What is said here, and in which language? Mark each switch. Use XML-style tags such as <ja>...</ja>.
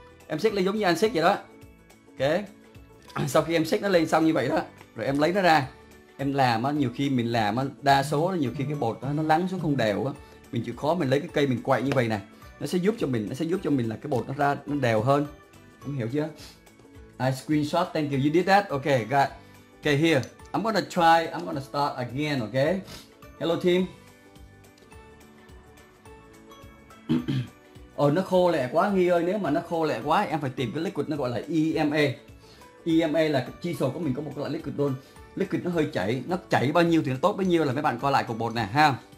<vi>Em xếp lên giống như anh xếp vậy đó. Ok. Sau khi em xếp nó lên xong như vậy đó, rồi em lấy nó ra. Em làm á, nhiều khi mình làm á, đa số là nhiều khi cái bột đó, nó lắng xuống không đều á. Mình chịu khó mình lấy cái cây mình quậy như vậy nè. Nó sẽ giúp cho mình là cái bột nó ra nó đều hơn. Em hiểu chưa?</vi> <en>I screenshot, thank you, you did that. Ok, got. Ok, here. I'm gonna start again, okay? Hello team.</en> <vi>Ôi nó khô lẹ quá Nghi ơi, nếu mà nó khô lẹ quá em phải tìm cái liquid nó gọi là EMA. EMA là chi sổ của mình có một loại liquid luôn. Liquid nó hơi chảy, nó chảy bao nhiêu thì nó tốt bấy nhiêu, là mấy bạn coi lại cục bột này ha.</vi>